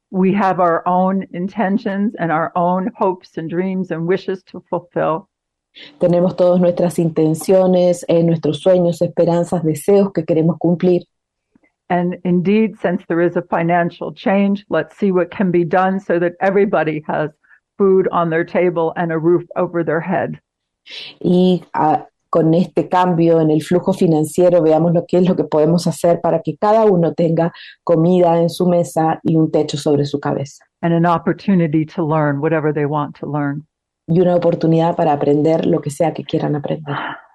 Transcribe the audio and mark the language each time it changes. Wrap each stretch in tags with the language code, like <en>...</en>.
<en>We have our own intentions and our own hopes and dreams and wishes to fulfill.</en> <es>Tenemos todas nuestras intenciones, nuestros sueños, esperanzas, deseos que queremos cumplir.</es> <en>And indeed, since there is a financial change, let's see what can be done so that everybody has food on their table and a roof over their head.</en> <es>Y con este cambio en el flujo financiero, veamos lo que es lo que podemos hacer para que cada uno tenga comida en su mesa y un techo sobre su cabeza.</es> <en>And an opportunity to learn whatever they want to learn.</en> <es>Y una oportunidad para aprender lo que sea que quieran aprender.</es>